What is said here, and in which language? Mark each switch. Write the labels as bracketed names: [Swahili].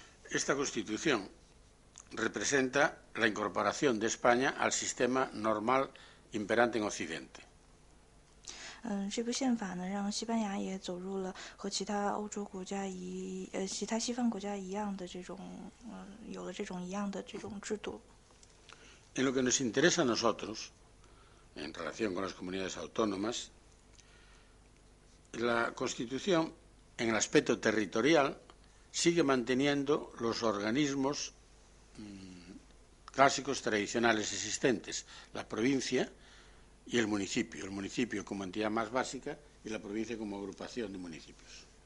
[Spanish] Esta Constitución representa la incorporación de España al sistema normal imperante en Occidente. [Chinese] 这部宪法呢，让西班牙也走入了和其他欧洲国家其他西方国家一样的这种，有了这种一样的这种制度。 [Spanish] En lo que nos interesa a nosotros, en relación con las comunidades autónomas, la Constitución, en el aspecto territorial, sigue manteniendo los organismos clásicos tradicionales existentes, la provincia y el municipio como entidad más básica y la provincia como agrupación de municipios.